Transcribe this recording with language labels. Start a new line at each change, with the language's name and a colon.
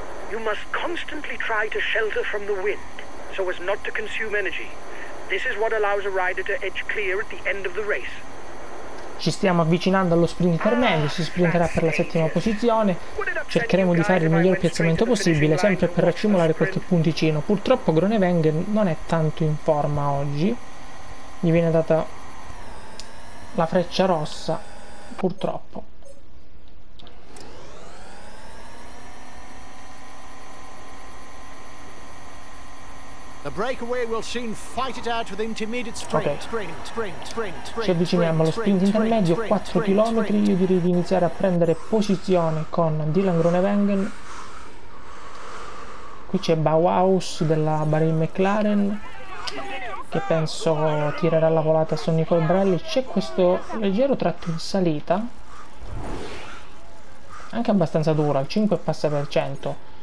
English: You must constantly try to shelter from the wind so as not to consume energy. This is what allows a rider to edge clear at the end of the race.
Italian: Ci stiamo avvicinando allo sprint intermedio, si sprinterà per la settima posizione, cercheremo di fare il miglior piazzamento possibile, sempre per accumulare qualche punticino. Purtroppo Groenewegen non è tanto in forma oggi, gli viene data la freccia rossa, purtroppo.
English: The breakaway will soon fight it out with intermediate sprint. Okay. Sprint.
Italian: Ci avviciniamo allo sprint intermedio, 4 km. Io direi di iniziare a prendere posizione con Dylan Groenewegen. Qui c'è Bauhaus della Bahrain McLaren, che penso tirerà la volata su Nicole Bradley. C'è questo leggero tratto in salita, anche abbastanza dura, il 5%.